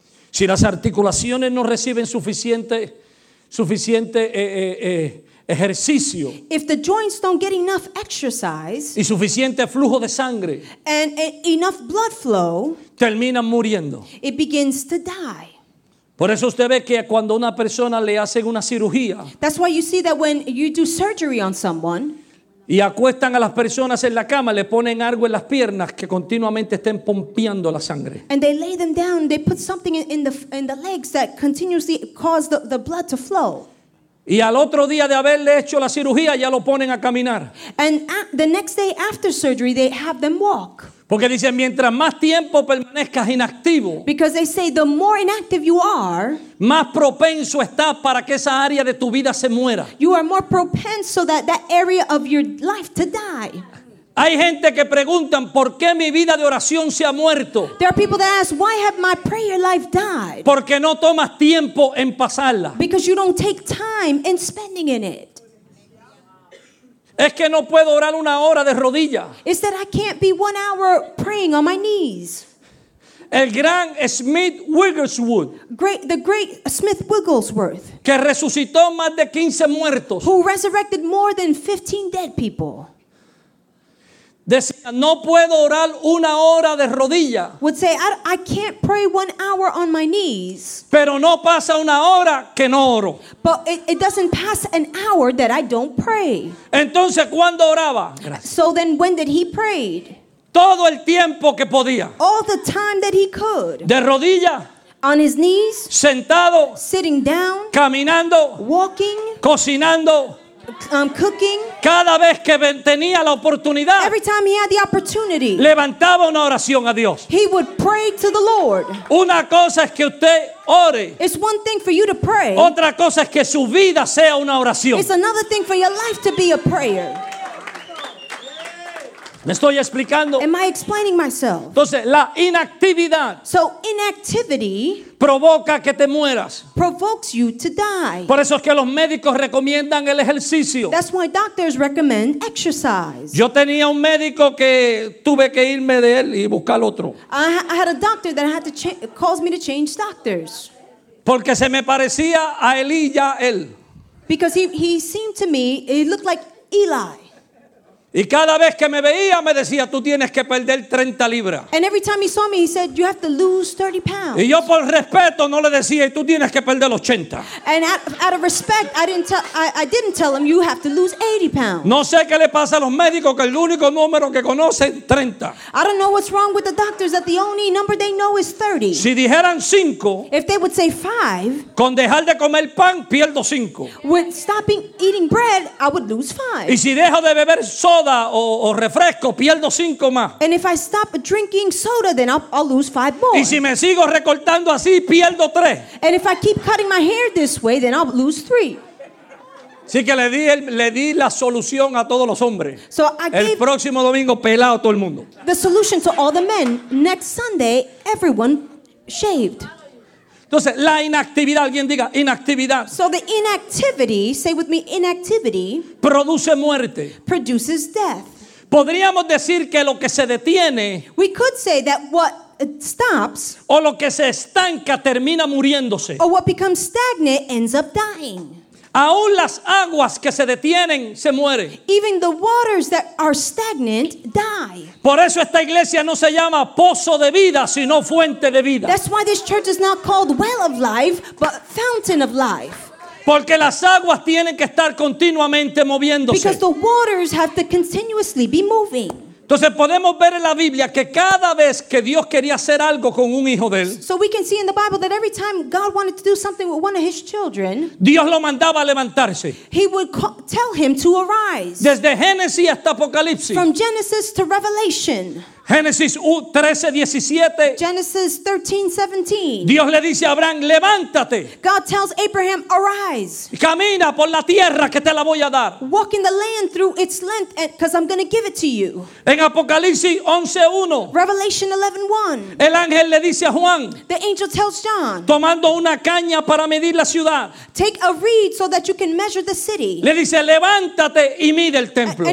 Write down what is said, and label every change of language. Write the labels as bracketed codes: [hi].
[es] Si las articulaciones no reciben suficiente ejercicio. [en] If the joints don't get enough exercise. [es] Y suficiente flujo de sangre. [en] And enough blood flow. [es] Terminan muriendo. [en] It begins to die. [es] Por eso usted ve que cuando una persona le hacen una cirugía. [en] That's why you see that when you do surgery on someone. [es] Y acuestan a las personas en la cama, le ponen algo en las piernas que continuamente estén pompeando la sangre. [en] And they lay them down, they put something in the legs that continuously cause the blood to flow. [es] Y al otro día de haberle hecho la cirugía ya lo ponen a caminar. [en] And the next day after surgery they have them walk. [es] Porque dicen mientras más tiempo permanezcas inactivo. [en] Because they say the more inactive you are, [es] más propenso estás para que esa área de tu vida se muera. [en] You are more [es] propenso [en] so that area of your life to die. [es] Hay gente que preguntan por qué mi vida de oración se ha muerto. [en] There are people that ask why have my prayer life died. [es] Porque no tomas tiempo en pasarla. [en] Because you don't take time in spending in it. [es] Es que no puedo orar una hora de rodillas. [en] It's that I can't be 1 hour praying on my knees. [es] El gran Smith Wigglesworth. [en] The great Smith Wigglesworth. [es] Que resucitó más de 15 muertos. [en] Who resurrected more than 15 dead people. [es] Decía, no puedo orar una hora de rodilla. [en] Would say, I can't pray 1 hour on my knees. [es] Pero no pasa una hora que no oro. [en] But it doesn't pass an hour that I don't pray. [es] Entonces, ¿cuándo oraba? Gracias. [en] So then, when did he pray? [es] Todo el tiempo que podía. [en] All the time that he could. [es] De rodilla. [en] On his knees. [es] Sentado. [en] Sitting down. [es] Caminando. [en] Walking. [es] Cocinando. [en] Cooking. [es] Cada vez que tenía la oportunidad, [en] every time he had the opportunity, [es] levantaba una oración a Dios. [en] He would pray to the Lord. [es] Una cosa es que usted ore. [en] It's one thing for you to pray. [es] Otra cosa es que su vida sea una oración. [en] It's another thing for your life to be a prayer. [es] ¿Me estoy explicando? [en] Am I explaining myself? [es] Entonces, la inactividad. [en] So, inactivity [es] provoca que te mueras. [en] Provokes you to die. [es] Por eso es que los médicos recomiendan el ejercicio. [en] That's why doctors recommend exercise. [es] Yo tenía un médico que tuve que irme de él y buscar otro. [en] I had a doctor that I had to cause me to change doctors. [es] Porque se me parecía a Elías, él. [en] Because he seemed to me, he looked like Eli. [es] Y cada vez que me veía me decía, tú tienes que perder 30 libras. [en] And every time he saw me, he said, you have to lose 30 pounds. [es] Y yo por respeto no le decía, y tú tienes que perder 80. [en] And out of respect, I didn't tell him, you have to lose 80 pounds. [es] No sé qué le pasa a los médicos, que el único número que conocen, 30. [en] I don't know what's wrong with the doctors, that the only number they know is 30. [es] Si dijeran 5, [en] if they would say 5, [es] con dejar de comer pan, pierdo 5. [en] With stopping eating bread, I would lose 5. [es] Y si dejo de beber soda, o refresco, pierdo 5 más. [en] And if I stop drinking soda, then I'll lose 5 more. [es] Y si me sigo recortando así, pierdo 3. [en] And if I keep cutting my hair this way, then I'll lose 3. [es] Así que le di la solución a todos los hombres. [en] So [es] el próximo domingo pelado todo el mundo. [en] The solution to all the men. Next Sunday, everyone shaved. [es] Entonces, la inactividad, alguien diga, inactividad. [en] So the inactivity, say with me, inactivity, [es] produce muerte. [en] Produces death. [es] Podríamos decir que lo que se detiene, [en] we could say that what stops, [es] o lo que se estanca termina muriéndose. [en] Or what becomes stagnant ends up dying. [es] Aún las aguas que se detienen se mueren. [en] Even the waters that are stagnant die. [es] Por eso esta iglesia no se llama Pozo de Vida, sino Fuente de Vida. [en] That's why this church is not called Well of Life, but Fountain of Life. [es] Porque las aguas tienen que estar continuamente moviéndose. [en] Because the waters have to continuously be moving. [es] Entonces podemos ver en la Biblia que cada vez que Dios quería hacer algo con un hijo de él, [en] so we can see in the Bible that every time God wanted to do something with one of his children, [es] Dios lo mandaba a levantarse. [en] He would tell him to arise. [es] Desde Génesis hasta Apocalipsis. [en] From Genesis to Revelation. [es] Génesis 13:17. [en] Genesis 13:17. [es] Dios le dice a Abraham, levántate. [en] God tells Abraham, arise. [es] Camina por la tierra que te la voy a dar. [en] Walk in the land through its length, because I'm going to give it to you. [es] En Apocalipsis 11:1. [en] Revelation 11:1. [es] El ángel le dice a Juan. [en] The angel tells John. [es] Tomando una caña para medir la ciudad. [en] Take a reed so that you can measure the city. [es] Le dice, levántate y mide el templo.